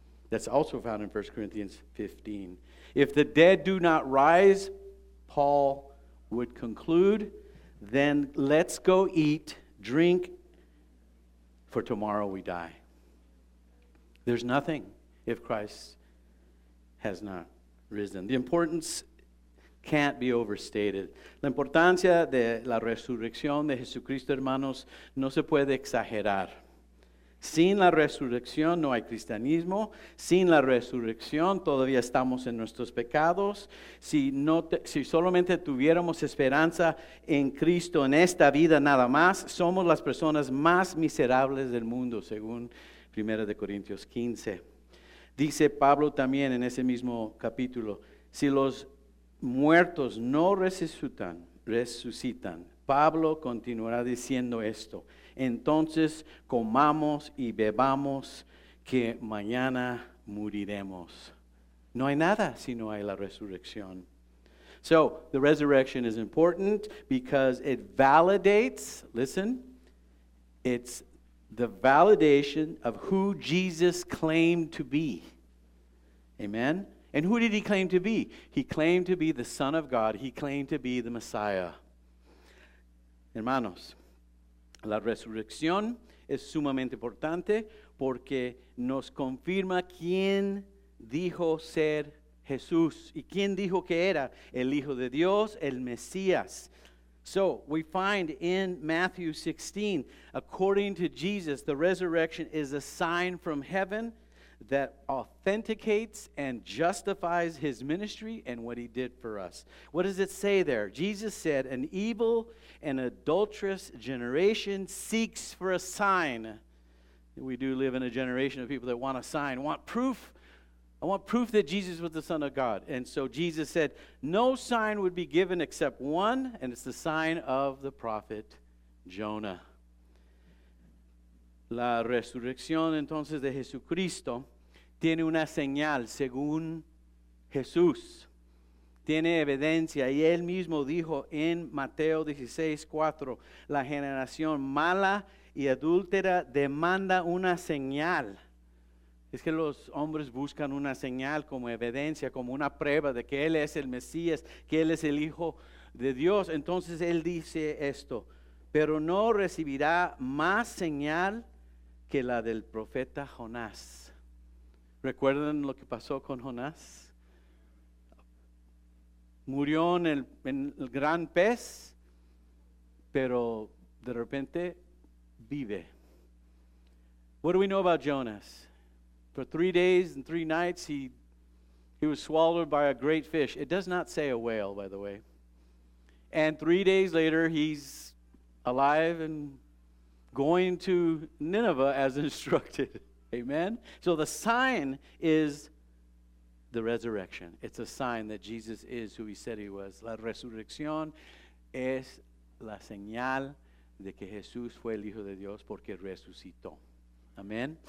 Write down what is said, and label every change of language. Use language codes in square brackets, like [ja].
[en] That's also found in 1 Corinthians 15. If the dead do not rise, Paul would conclude, then let's go eat, drink, for tomorrow we die. There's nothing if Christ has not risen. The importance can't be overstated. [es] La importancia de la resurrección de Jesucristo, hermanos, no se puede exagerar. Sin la resurrección no hay cristianismo. Sin la resurrección todavía estamos en nuestros pecados. Si solamente tuviéramos esperanza en Cristo en esta vida nada más, somos las personas más miserables del mundo, según 1 Corintios 15. Dice Pablo también en ese mismo capítulo, si los muertos no resucitan, Pablo continuará diciendo esto, entonces comamos y bebamos que mañana moriremos. No hay nada si no hay la resurrección. [en] So, the resurrection is important because it validates, listen, it's the validation of who Jesus claimed to be. Amen? And who did he claim to be? He claimed to be the Son of God. He claimed to be the Messiah. [es] Hermanos, la resurrección es sumamente importante porque nos confirma quién dijo ser Jesús. ¿Y quién dijo que era? El Hijo de Dios, el Mesías. [en] So, we find in Matthew 16, according to Jesus, the resurrection is a sign from heaven that authenticates and justifies his ministry and what he did for us. What does it say there? Jesus said, an evil and adulterous generation seeks for a sign. We do live in a generation of people that want a sign, want proof. I want proof that Jesus was the Son of God. And so Jesus said, no sign would be given except one, and it's the sign of the prophet Jonah. [es] La resurrección entonces de Jesucristo tiene una señal según Jesús. Tiene evidencia. Y él mismo dijo en Mateo 16:4, la generación mala y adúltera demanda una señal. Es que los hombres buscan una señal como evidencia, como una prueba de que Él es el Mesías, que Él es el Hijo de Dios. Entonces Él dice esto, pero no recibirá más señal que la del profeta Jonás. ¿Recuerdan lo que pasó con Jonás? Murió en el gran pez, pero de repente vive. [en] What do we know about Jonas? For 3 days and three nights, he was swallowed by a great fish. It does not say a whale, by the way. And 3 days later, he's alive and going to Nineveh as instructed. Amen? So the sign is the resurrection. It's a sign that Jesus is who he said he was. [es] La resurrección es la señal de que Jesús fue el Hijo de Dios porque resucitó. Amén.